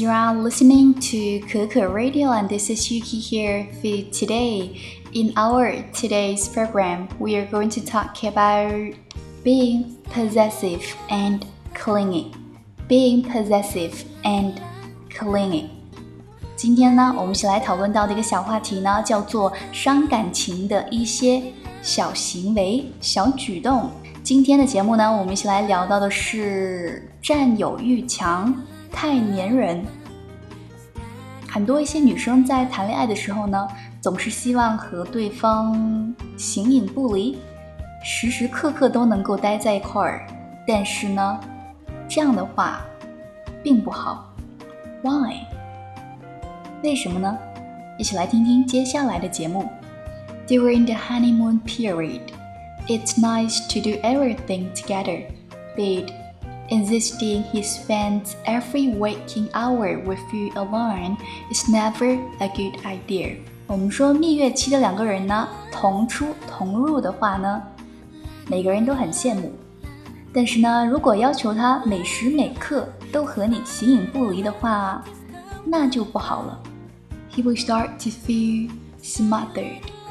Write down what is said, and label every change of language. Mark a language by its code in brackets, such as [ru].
[en] You are listening to Keke Radio, and this is Yuki here for today. In our today's program, we are going to talk about being possessive and clingy. Being possessive and clingy. [zh] 今天呢，我们先来讨论到的一个小话题呢，叫做伤感情的一些小行为、小举动。今天的节目呢，我们先来聊到的是占有欲强。太黏人，很多一些女生在谈恋爱的时候呢，总是希望和对方形影不离，时时刻刻都能够待在一块儿。但是呢，这样的话并不好。 Why？ 为什么呢？一起来听听接下来的节目。 [en] During the honeymoon period, it's nice to do everything together, be it. Insisting he spends every waking hour with you alone is never a good idea. [zh] 我们说蜜月期的两个人呢，同出同入的话呢，每个人都很羡慕。但是呢，如果要求他每时每刻都和你形影不离的话，那就不好了。 [en] He will start to feel smothered.